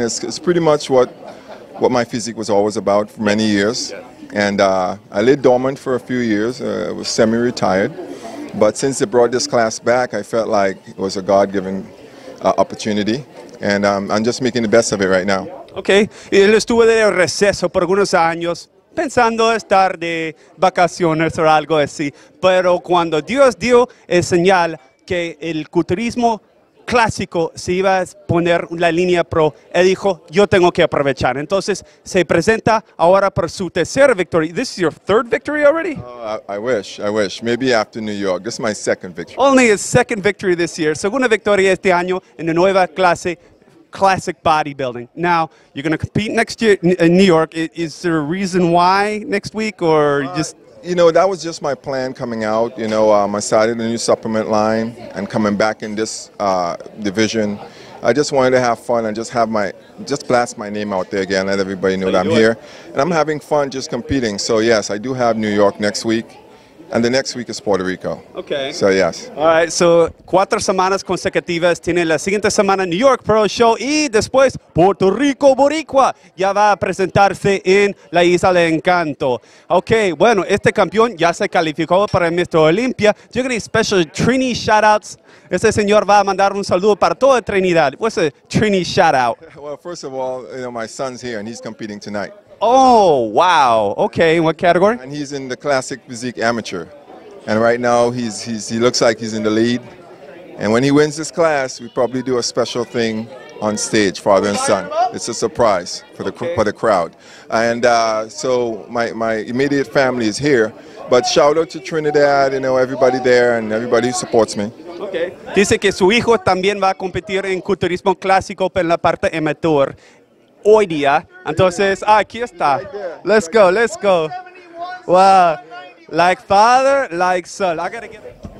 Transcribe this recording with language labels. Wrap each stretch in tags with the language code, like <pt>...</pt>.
<en>It's pretty much what my physique was always about for many years, and I lived dormant for a few years. I was semi-retired, but since they brought this class back, I felt like it was a God-given opportunity, and I'm just making the best of it right now. Okay.</en> <es>Él estuvo de receso por algunos años, pensando estar de vacaciones o algo así, pero cuando Dios dio el señal que el culturismo clásico se iba a poner la línea pro, él dijo, yo tengo que aprovechar. Entonces, se presenta ahora por su tercera victory.</es> <en>This is your third victory already? I wish. Maybe after New York. This is my second victory. Only his second victory this year.</en> <es>Segunda victoria este año en la nueva clase.</es> <en>Classic bodybuilding. Now you're going to compete next year in New York. Is there a reason why next week, or just you know, that was just my plan coming out. You know, I started a new supplement line and coming back in this division. I just wanted to have fun and just blast my name out there again, let everybody know that I'm here, and I'm having fun just competing. So yes, I do have New York next week. And the next week is Puerto Rico. Okay. So, yes. All right. So,</en> <es>4 semanas consecutivas. Tiene la siguiente semana New York Pro Show. Y después, Puerto Rico Boricua. Ya va a presentarse en la Isla de Encanto. Okay. Bueno, este campeón ya se calificó para el Mr. Olympia.</es> <en>Do you have any special Trini shout-outs?</en> <es>Este señor va a mandar un saludo para toda Trinidad.</es> <en>What's a Trini shout-out? Well, first of all, you know, my son's here and he's competing tonight. Oh, wow. Okay, what category? And he's in the classic physique amateur. And right now, he looks like he's in the lead. And when he wins this class, we probably do a special thing on stage, father and son. It's a surprise for the for the crowd. And so my immediate family is here. But shout out to Trinidad, you know, everybody there and everybody who supports me. Okay.</en> <es>Dice que su hijo también va a competir en culturismo clásico en la parte amateur. Hoy día, entonces, aquí está.</es> <en>Let's go, let's go. Wow, like father, like son. I gotta get it.</en>